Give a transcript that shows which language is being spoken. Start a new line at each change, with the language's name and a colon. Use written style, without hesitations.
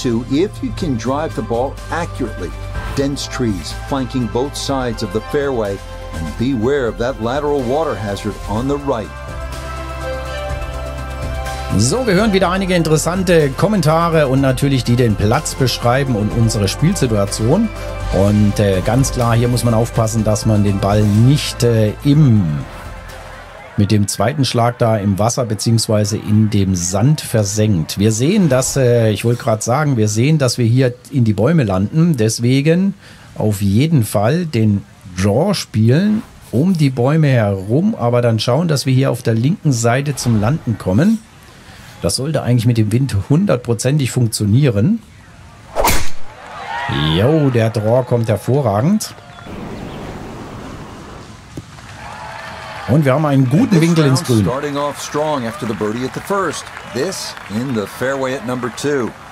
English: If you can drive the ball accurately, dense trees flanking both sides of the fairway and beware of that lateral water hazard on the right.
German: So, wir hören wieder einige interessante Kommentare und natürlich die den Platz beschreiben und unsere Spielsituation. Und ganz klar, hier muss man aufpassen, dass man den Ball nicht mit dem zweiten Schlag da im Wasser bzw. in dem Sand versenkt. Wir sehen, dass wir sehen, dass wir hier in die Bäume landen. Deswegen auf jeden Fall den Draw spielen um die Bäume herum, aber dann schauen, dass wir hier auf der linken Seite zum Landen kommen. Das sollte eigentlich mit dem Wind hundertprozentig funktionieren. Jo, der Draw kommt hervorragend. Und wir haben einen guten Winkel ins Grün.
English: Starting off strong after the birdie at the first. This in the fairway at number two.